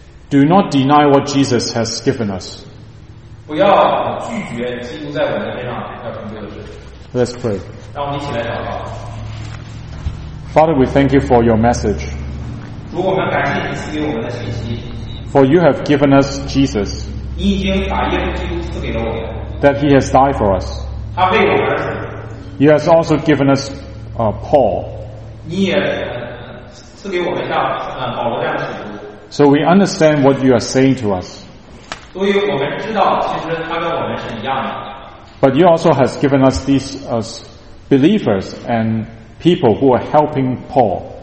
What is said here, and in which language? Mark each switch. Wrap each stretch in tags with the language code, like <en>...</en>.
<en>Do not deny what Jesus has given us.</en> <zh>不要拒绝基督在我们身上要成就的事。</zh> <en>Let's pray.</en> <zh>让我们一起来祷告。</zh> <en>Father, we thank you for your message.</en> <zh>主，我们感谢你赐给我们的信息。</zh> <en>For you have given us Jesus.</en> <zh>你已经把耶稣基督赐给了我们。</zh> <en>That he has died for us.</en> <zh>他为我们而死。</zh> <en>You have also given us Paul.</en> <zh>你也赐给我们像保罗这样的使徒。</zh> <en>So we understand what you are saying to us.</en> <zh>所以我们知道其实他跟我们是一样的。</zh> <en>But you also have given us these believers and people who are helping Paul.</en>